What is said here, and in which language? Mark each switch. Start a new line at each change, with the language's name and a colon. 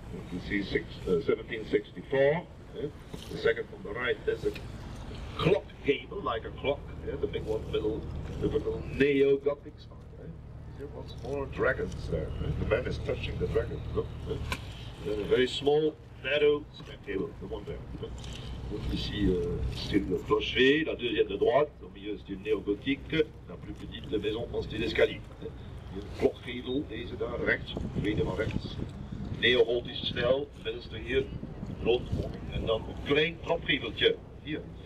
English: You see 1764, the second from the right is a clock gable, like a clock, yeah, the big one, the middle neo-Gothic style, eh? There are small dragons there, right? The man is touching the dragon, look, a very small, narrow staircase, the one there.
French: Donc ici, style de clocher, la deuxième de droite, au milieu, style néo-gothique, la plus petite de maison en style escalier.
Dutch: Hier, de clock gable, deze daar, rechts, tweede van rechts. Neo-gothisch stijl, de middelste hier, rood, en dan een klein trapgeveltje, hier.